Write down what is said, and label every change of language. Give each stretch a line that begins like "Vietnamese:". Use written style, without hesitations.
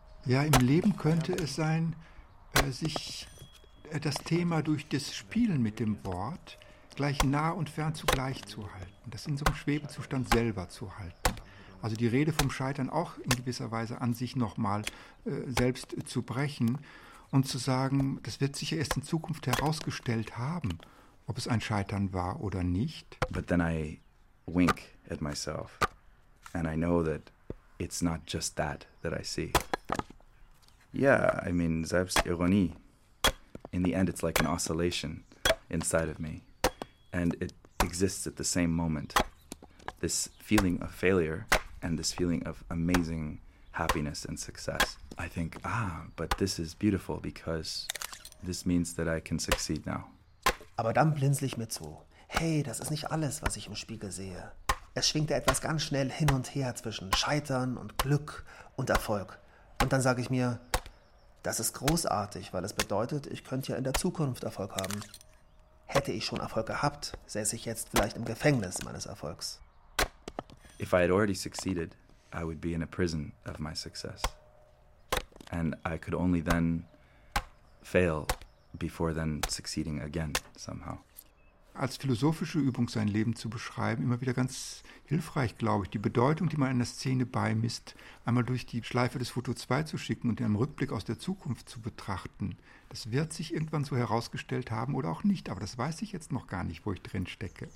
German: Ja, im Leben könnte es sein, sich das Thema durch das Spielen mit dem Wort gleich nah und fern zugleich zu halten, das in so einem Schwebezustand selber zu halten. Also die Rede vom Scheitern auch in gewisser Weise an sich nochmal selbst zu brechen und zu sagen, das wird sich erst in Zukunft herausgestellt haben, ob es ein Scheitern war oder nicht.
English: But then I wink at myself and I know that it's not just that that I see. Yeah, I mean, Selbstironie. In the end, it's like an oscillation inside of me. And it exists at the same moment. This feeling of failure and this feeling of amazing happiness and success. I think, but this is beautiful because this means that I can succeed now.
German: Aber dann blinzle ich mir zu. Hey, das ist nicht alles, was ich im Spiegel sehe. Es schwingt etwas ganz schnell hin und her zwischen Scheitern und Glück und Erfolg. Und dann sage ich mir, das ist großartig, weil es bedeutet, ich könnte ja in der Zukunft Erfolg haben. Hätte ich schon Erfolg gehabt, säße ich jetzt vielleicht im Gefängnis meines Erfolgs.
English: If I had already succeeded, I would be in a prison of my success. And I could only then fail before then succeeding again somehow.
German: Als philosophische Übung sein Leben zu beschreiben, immer wieder ganz hilfreich, glaube ich, die Bedeutung, die man einer Szene beimisst, einmal durch die Schleife des Foto 2 zu schicken und in einem Rückblick aus der Zukunft zu betrachten, das wird sich irgendwann so herausgestellt haben oder auch nicht, aber das weiß ich jetzt noch gar nicht, wo ich drin stecke.